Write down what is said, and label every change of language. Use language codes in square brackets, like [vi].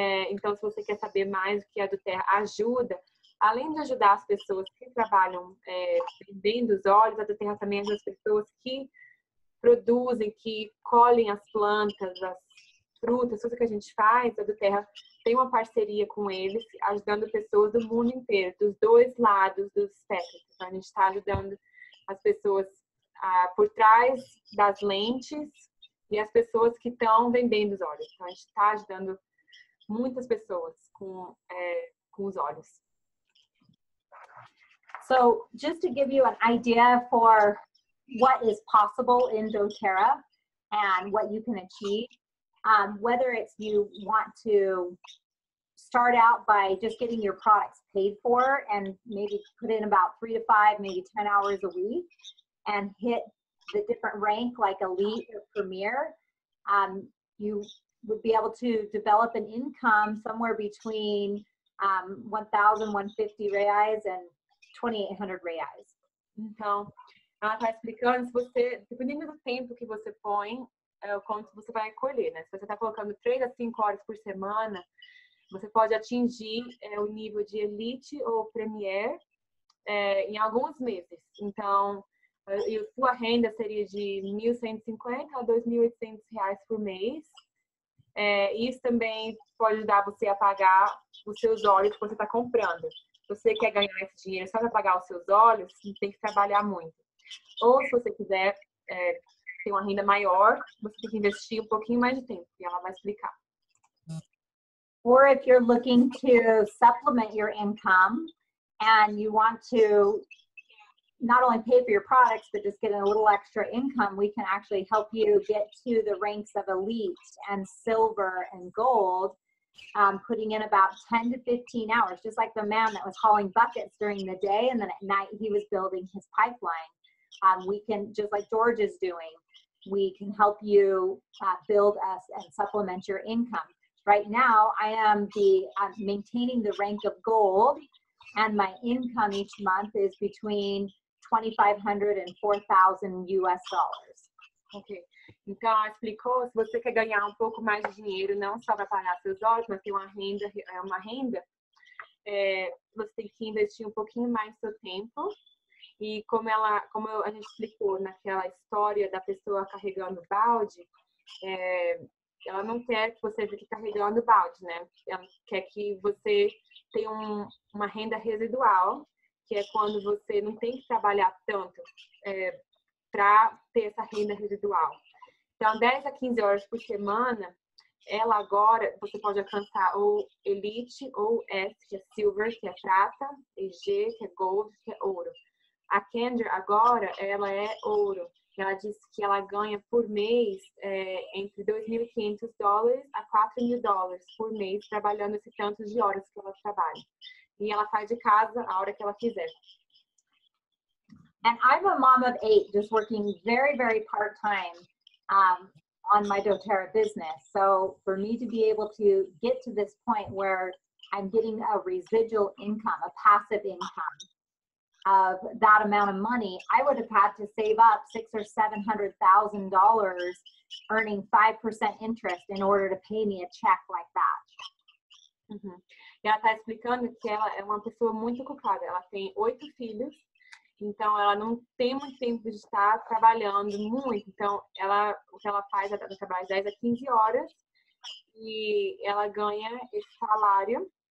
[pt] Então, se você quer saber mais o que a Duterra ajuda, além de ajudar as pessoas que trabalham vendendo os óleos, a Duterra também ajuda as pessoas que produzem, que colhem as plantas, as frutas, tudo que a gente faz. A Duterra tem uma parceria com eles, ajudando pessoas do mundo inteiro, dos dois lados do espectro. Então, a gente está ajudando as pessoas por trás das lentes e as pessoas que estão vendendo os óleos. Então, a gente está ajudando muitas pessoas com os óleos. [en] So, just to give you an idea for what is possible in doTERRA and what you can achieve, whether it's you want to start out by just getting your products paid for and maybe put in about 3 to 5, maybe 10 hours a week and hit the different rank like elite or premier, you would be able to develop an income somewhere between 1,150 reais and 2.800 reais. [pt] Então, ela está explicando, se você, dependendo do tempo que você põe, é o quanto você vai colher, né? Se você está colocando 3 a 5 horas por semana, você pode atingir o nível de elite ou premier em alguns meses. Então, e a sua renda seria de 1.150 a 2.800 reais por mês. Isso também pode ajudar você a pagar os seus óleos que você está comprando. Se você quer ganhar esse dinheiro só para pagar os seus óleos, você tem que trabalhar muito. Ou se você quiser ter uma renda maior, você tem que investir um pouquinho mais de tempo, e ela vai explicar. [en] Or if you're looking to supplement your income and you want to not only pay for your products, but just get a little extra income, we can actually help you get to the ranks of elite and silver and gold, putting in about 10 to 15 hours, just like the man that was hauling buckets during the day and then at night he was building his pipeline. We can, just like George is doing, we can help you build us and supplement your income. Right now, I am maintaining the rank of gold, and my income each month is between 2,500 and 4,000 US dollars. Okay. [pt] Então, ela explicou, se você quer ganhar um pouco mais de dinheiro, não só para pagar seus olhos, mas ter uma renda, você tem que investir um pouquinho mais do seu tempo. E como a gente explicou naquela história da pessoa carregando o balde, ela não quer que você fique carregando o balde, né? Ela quer que você tenha uma renda residual, que é quando você não tem que trabalhar tanto para ter essa renda residual. Então, 10 a 15 horas por semana, ela agora, você pode alcançar ou elite, ou S, que é silver, que é prata, e G, que é gold, que é ouro. A Kendra, agora, ela é ouro. Ela disse que ela ganha por mês entre 2.500 dólares a 4.000 dólares por mês, trabalhando esse tanto de horas que ela trabalha. E ela faz de casa a hora que ela quiser. [en] And I'm a mom of 8, just working very, very part-time on my doTERRA business. So for me to be able to get to this point where I'm getting a residual income, a passive income, of that amount of money, I would have had to save up $600,000 or $700,000 earning 5% interest in order to pay me a check like that. Uhum. [pt] E ela está explicando que ela é uma pessoa muito ocupada. Ela tem 8 filhos, então ela não tem muito tempo de estar trabalhando muito. Então, o que ela faz é trabalhar 10 a 15 horas e ela ganha esse salário.